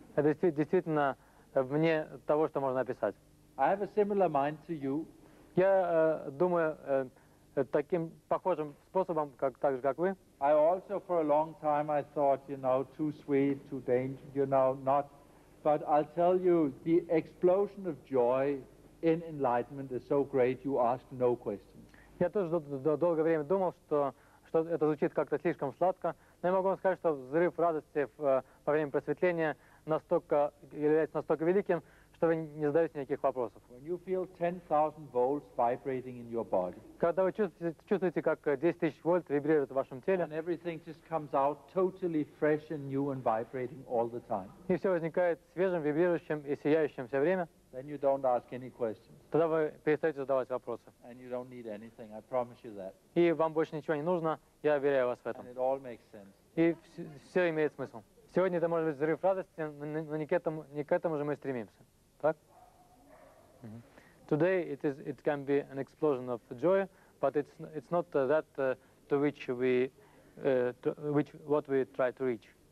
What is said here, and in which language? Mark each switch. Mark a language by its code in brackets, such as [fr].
[ru] Это действительно вне того, что можно описать. [en] I have a similar mind to you. [ru] Я думаю таким похожим способом, как так же, как вы. [en] I also for a long time I thought, you know, too sweet, too dangerous, you know, not. But I'll tell you, the explosion of joy in enlightenment is so great you ask no questions. [ru] Я тоже долгое время думал, что это звучит как-то слишком сладко, но я могу вам сказать, что взрыв радости во время просветления настолько является настолько великим, что вы не задаете никаких вопросов. [en] When you feel 10,000 volts vibrating in your body, [ru] когда вы чувствуете, как 10 тысяч вольт вибрирует в вашем теле, [en] and everything just comes out totally fresh and new and vibrating all the time, [ru] и все возникает свежим, вибрирующим и сияющим все время, [en] then you don't ask any questions. [ru] Тогда вы перестаете задавать вопросы. [en] And you don't need anything, I promise you that. [ru] И вам больше ничего не нужно, я уверяю вас в этом. [en] And it all makes sense. [ru] И все имеет смысл. Сегодня это может быть взрыв радости, но не к этому же мы стремимся. Так? [en] Today it can be an explosion of joy, but it's not that to which we which what we try to reach.